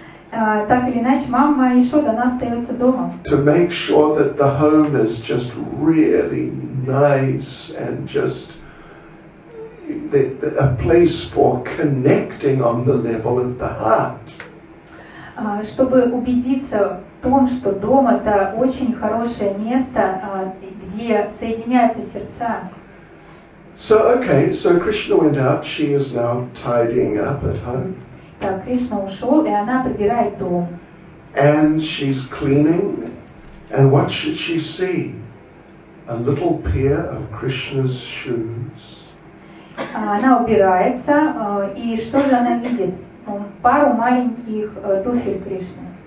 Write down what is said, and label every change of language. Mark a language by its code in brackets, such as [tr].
[ru] Так или иначе, мама Яшода, она остается дома. [en] To make sure that the home is just really nice and just a place for connecting on the level of the heart. [ru] Чтобы убедиться в том, что дом — это очень хорошее место, где соединяются сердца. [en] So, okay, so Krishna went out, she is now tidying up at home. [ru] Так, Кришна ушел, и она прибирает дом. [en] And she's cleaning, and what should she see? A little pair of Krishna's shoes. [ru] Она убирается, и что же она видит? Пару маленьких туфель Кришны.